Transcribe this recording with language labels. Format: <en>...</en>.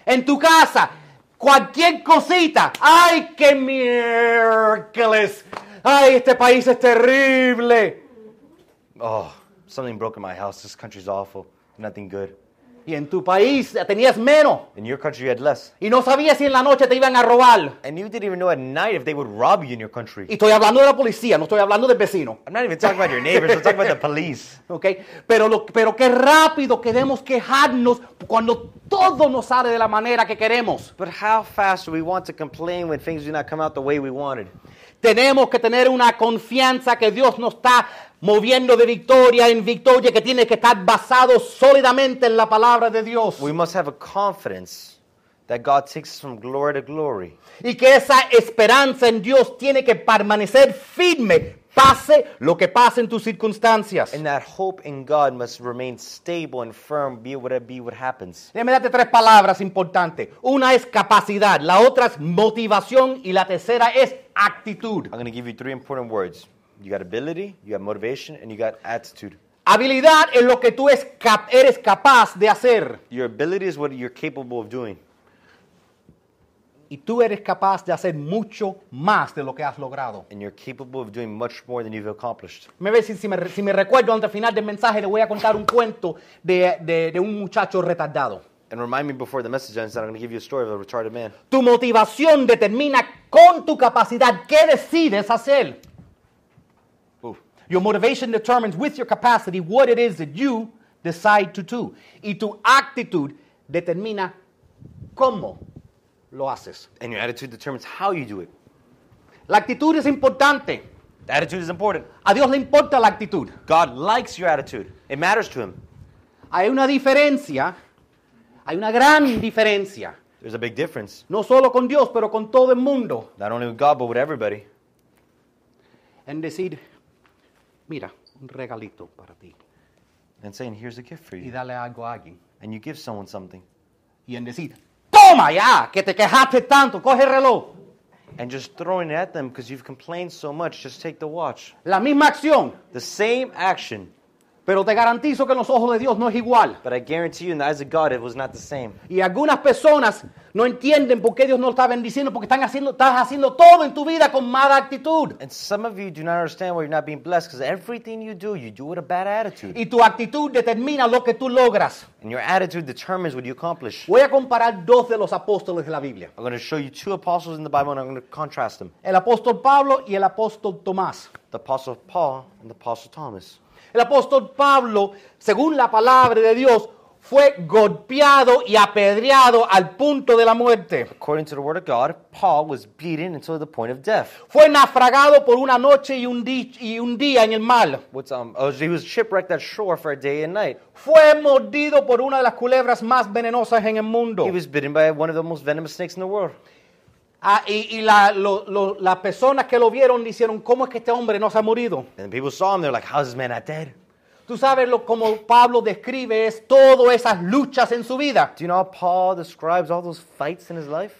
<es>En tu casa, cualquier cosita. Ay, qué miércoles. Ay, este país es terrible.</es> <en>Oh, something broke in my house. This country's awful. Nothing good.</en> <es>Y en tu país tenías menos.</es> <en>In your country you had less.</en> <es>Y no sabías si en la noche te iban a robar.</es> <en>And you didn't even know at night if they would rob you in your country.</en> <es>Y estoy hablando de la policía, no estoy hablando del vecino.</es> <en>I'm not even talking about your neighbors, I'm talking about the police. Okay.</en> <es>Pero qué rápido queremos quejarnos cuando todo nos sale de la manera que queremos.</es> <en>But how fast do we want to complain when things do not come out the way we wanted?</en> <es>Tenemos que tener una confianza que Dios nos está moviendo de victoria en victoria, que tiene que estar basado sólidamente en la palabra de Dios.</es> <en>We must have a confidence that God takes us from glory to glory.</en> <es>Y que esa esperanza en Dios tiene que permanecer firme, pase lo que pase en tus circunstancias.</es> <en>And that hope in God must remain stable and firm, be whatever be what happens.</en> <es>Déjame darte tres palabras importantes. Una es capacidad, la otra es motivación y la tercera es actitud.</es> <en>I'm going to give you three important words. You got ability, you got motivation, and you got attitude.</en> <es>Habilidad es lo que tú eres capaz de hacer.</es> <en>Your ability is what you're capable of doing.</en> <es>Y tú eres capaz de hacer mucho más de lo que has logrado.</es> <en>And you're capable of doing much more than you've accomplished.</en> <es>Me ves si me recuerdo antes del final del mensaje, le voy a contar un cuento de un muchacho retardado.</es> <en>And remind me before the message ends that I'm going to give you a story of a retarded man.</en> <es>Tu motivación determina con tu capacidad qué decides hacer.</es> <en>Your motivation determines with your capacity what it is that you decide to do.</en> <es>Y tu actitud determina cómo lo haces.</es> <en>And your attitude determines how you do it.</en> <es>La actitud es importante.</es> <en>The attitude is important.</en> <es>A Dios le importa la actitud.</es> <en>God likes your attitude. It matters to him.</en> <es>Hay una diferencia. Hay una gran diferencia.</es> <en>There's a big difference.</en> <es>No solo con Dios, pero con todo el mundo.</es> <en>Not only with God, but with everybody. And</en> <es>decir, mira, un regalito para ti.</es> <en>And saying, here's a gift for you.</en> <es>Y dale algo a alguien.</es> <en>And you give someone something.</en> <es>Y en decir, toma ya, que te quejaste tanto, coge el reloj.</es> <en>And just throwing it at them because you've complained so much, just take the watch.</en> <es>La misma acción.</es> <en>The same action.</en> <es>Pero te garantizo que en los ojos de Dios no es igual.</es> <en>But I guarantee you, in the eyes of God, it was not the same.</en> <es>Y algunas personas no entienden por qué Dios no lo está bendiciendo, porque estás haciendo todo en tu vida con mala actitud.</es> <en>And some of you do not understand why you're not being blessed, because everything you do with a bad attitude.</en> <es>Y tu actitud determina lo que tú logras.</es> <en>And your attitude determines what you accomplish.</en> <es>Voy a comparar dos de los apóstoles de la Biblia.</es> <en>I'm going to show you two apostles in the Bible, and I'm going to contrast them.</en> <es>El apóstol Pablo y el apóstol Tomás.</es> <en>The apostle Paul and the apostle Thomas.</en> <es>El apóstol Pablo, según la palabra de Dios, fue golpeado y apedreado al punto de la muerte.</es> <en>According to the word of God, Paul was beaten until the point of death.</en> <es>Fue naufragado por una noche y un día en el mar.</es> <en>He was shipwrecked at shore for a day and night.</en> <es>Fue mordido por una de las culebras más venenosas en el mundo.</es> <en>He was bitten by one of the most venomous snakes in the world.</en> <es>Las personas que lo vieron dijeron, ¿cómo es que este hombre no se ha morido?</es> <en>And people saw him, they're like, how is this man not dead?</en> <es>Tú sabes lo como Pablo describe es todas esas luchas en su vida.</es> <en>Do you know how Paul describes all those fights in his life?</en>